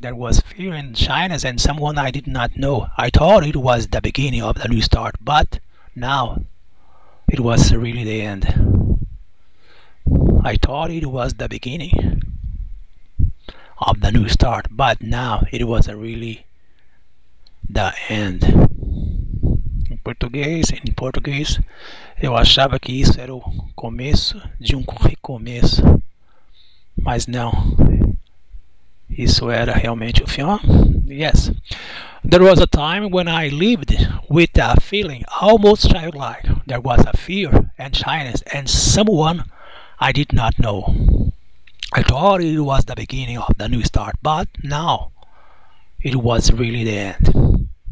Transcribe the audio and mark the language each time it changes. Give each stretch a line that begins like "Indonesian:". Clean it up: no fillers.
English: There was fear and shyness, and someone I did not know. I thought it was the beginning of the new start, but now it was really the end. I thought it was the beginning of the new start, but now it was really the end. In Portuguese,
Portuguese: eu achava que isso era o começo de recomeço, mas não. Isso era realmente o fim. Yes.
English: There was a time when I lived with a feeling almost childlike. There was a fear and shyness and someone I did not know. I thought it was the beginning of the new start, but now it was really the end.